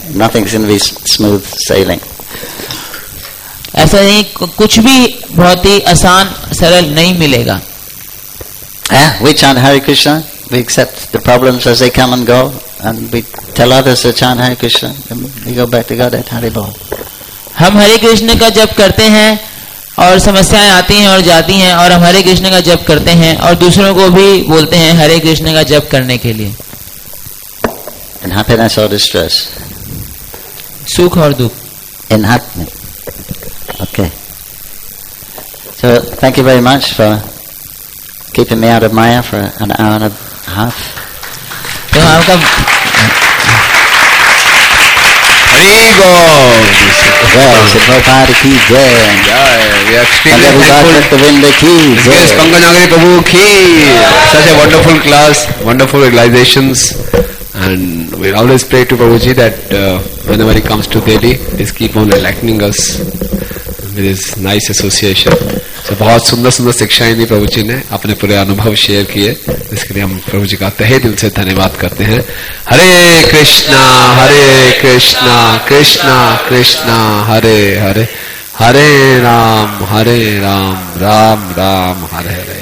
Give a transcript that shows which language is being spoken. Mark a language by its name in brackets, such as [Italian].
[English] Nothing's going to be smooth sailing. [Hindi] ऐसा नहीं कुछ भी बहुत ही आसान सरल नहीं मिलेगा. [English] Yeah, we chant Hare Krishna, we accept the problems as they come and go, and we tell others to chant Hare Krishna, and we go back to God at Hare Bol. [Hindi] हम हरे कृष्ण का जप करते हैं और समस्याएं आती हैं और जाती हैं, और हम हरे कृष्ण का जप करते हैं और दूसरों को भी बोलते हैं हरे कृष्ण का जप करने के लिए. [English] In happiness or distress. [Hindi] Sukh or dukh. [English] In happiness. Okay. So thank you very much for keeping me out of Maya for an hour and a half. Hare Gaur. Yes, the Prabhupada ki jai. Yeah, we are extremely thankful. And everybody has the wind ki. Pankaj Nagari Prabhu ki. Such a wonderful class, wonderful realizations. And we always pray to Prabhuji that whenever he comes to Delhi, please keep on enlightening us with his nice association. So, [Hindi] बहुत सुंदर सुंदर शिक्षाएं दी प्रभुजी ने, अपने पूरे अनुभव share किए, इसके लिए हम प्रभुजी का तहे दिल से धन्यवाद करते हैं. हरे कृष्णा कृष्णा कृष्णा हरे हरे, हरे राम राम राम हरे हरे.